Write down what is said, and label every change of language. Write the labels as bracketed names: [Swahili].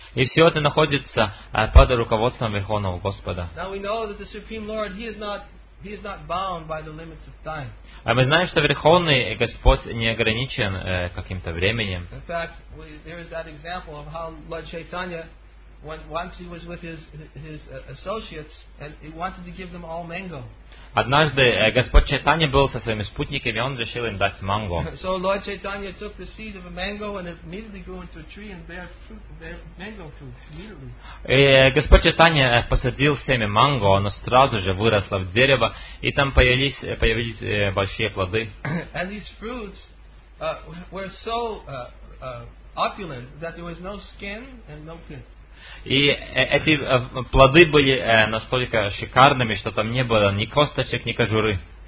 [Russian] И все это находится под руководством Верховного Господа. [English] Now we know that the Supreme Lord, he is not bound by the limits of time. [Russian] А мы знаем, что Верховный Господь не ограничен каким-то временем. [English] In fact, there is that example of how Lord Chaitanya, when once he was with his associates, and he wanted to give them all mango. [Russian] Однажды Господь Чайтанья был со своими спутниками, и он решил им дать манго. [English] So Lord Chaitanya took the seed of a mango and immediately grew into a tree and bare fruit, bare mango fruits immediately. [Russian] И Господь Чайтанья посадил семя манго, оно сразу же выросло в дерево, и там появились большие плоды. [English] And these fruits were so opulent that there was no skin and no pit. [Russian] И эти плоды были настолько шикарными, что там не было ни косточек, ни кожуры.